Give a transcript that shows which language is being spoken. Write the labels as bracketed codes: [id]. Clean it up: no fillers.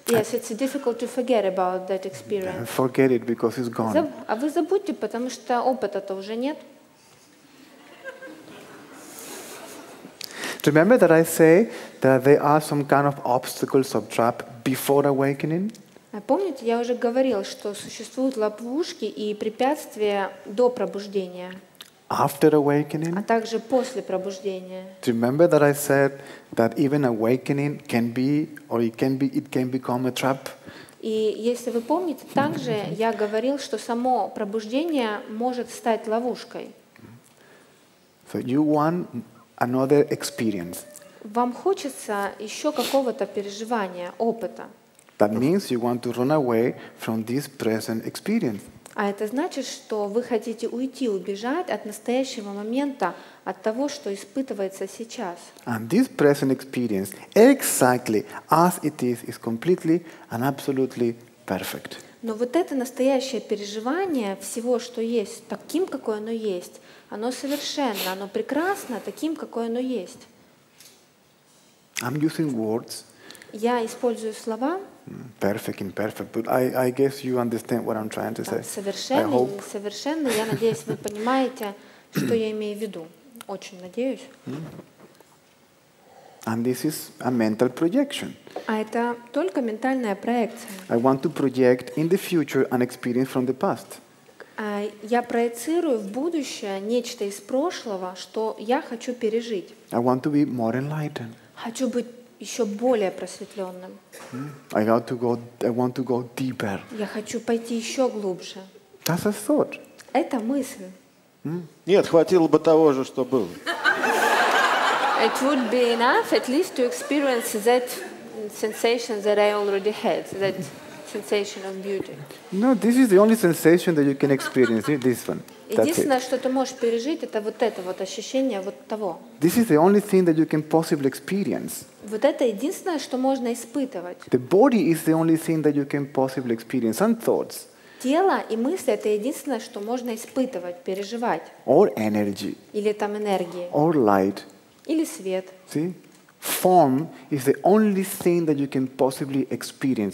[en] Yes, it's difficult to forget about that experience. Forget it because it's gone. [ru] А вы забудьте, потому что опыта-то уже нет. [en] Remember that I say that there are some kind of obstacles or trap before awakening? [ru] Помните, я уже говорил, что существуют ловушки и препятствия до пробуждения. [en] After awakening. [ru] А также после пробуждения. [en] Do you remember that I said that even awakening can be, or it can become a trap? [ru] И если вы помните, также я говорил, что само пробуждение может стать ловушкой. [en] So you want another experience. [ru] Вам хочется еще какого-то переживания, опыта. [en] That means you want to run away from this present experience. [ru] А это значит, что вы хотите уйти, убежать от настоящего момента, от того, что испытывается сейчас. [en] And this present experience, exactly as it is completely and absolutely perfect. [ru] Но вот это настоящее переживание всего, что есть, таким, какое оно есть, оно совершенно, оно прекрасно, таким, какое оно есть. [en] I'm using words. [ru] Я использую слова. [en] Perfect, imperfect, but I guess you understand what I'm trying to say. [ru] Совершенно, совершенно. Я надеюсь, вы понимаете, что я имею в виду. Очень надеюсь. [en] And this is a mental projection. [ru] А это только ментальная проекция. [en] I want to project in the future an experience from the past. [ru] Я проецирую в будущее нечто из прошлого, что я хочу пережить. [en] I want to be more enlightened. [ru] Хочу быть еще более просветленным. [en] I want to go deeper. [ru] Я хочу пойти еще глубже. [en] That's a thought. [ru] Это мысль. Нет, хватило бы того же, что было. [en] It would be enough at least to experience that sensation that I already had, that sensation of beauty. No, this is the only sensation that you can experience, this one. [ru] Единственное, что ты можешь пережить, это вот это вот ощущение вот того. [en] This is the only thing that you can possibly experience. [ru] Вот это единственное, что можно испытывать. [en] The body is the only thing that you can possibly experience, and thoughts. [ru] тело и мысли — это единственное, что можно испытывать, переживать. [en] Or energy. [ru] Или там энергии. [en] Or light. [ru] Или свет. [en] See? Form is the only thing that you can possibly experience.